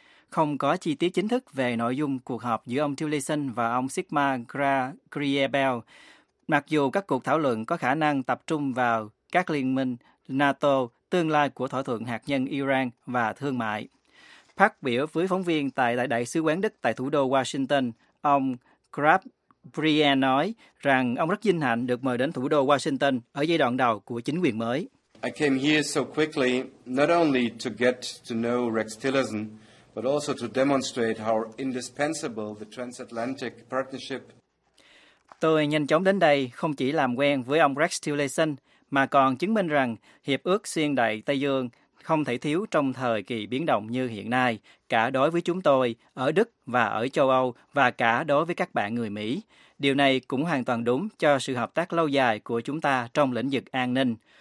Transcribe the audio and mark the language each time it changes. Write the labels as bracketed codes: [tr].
[vi] Không có chi tiết chính thức về nội dung cuộc họp giữa ông Tillerson và ông Sima Gra-Gribel, mặc dù các cuộc thảo luận có khả năng tập trung vào các liên minh NATO, tương lai của thỏa thuận hạt nhân Iran và thương mại. Phát biểu với phóng viên tại Đại sứ quán Đức tại thủ đô Washington, ông Grabrien nói rằng ông rất vinh hạnh được mời đến thủ đô Washington ở giai đoạn đầu của chính quyền mới. [en] I came here so quickly, not only to get to know Rex Tillerson, but also to demonstrate how indispensable the transatlantic partnership. [vi] Tôi nhanh chóng đến đây không chỉ làm quen với ông Rex Tillerson, mà còn chứng minh rằng Hiệp ước Xuyên Đại Tây Dương không thể thiếu trong thời kỳ biến động như hiện nay, cả đối với chúng tôi, ở Đức và ở châu Âu, và cả đối với các bạn người Mỹ. Điều này cũng hoàn toàn đúng cho sự hợp tác lâu dài của chúng ta trong lĩnh vực an ninh.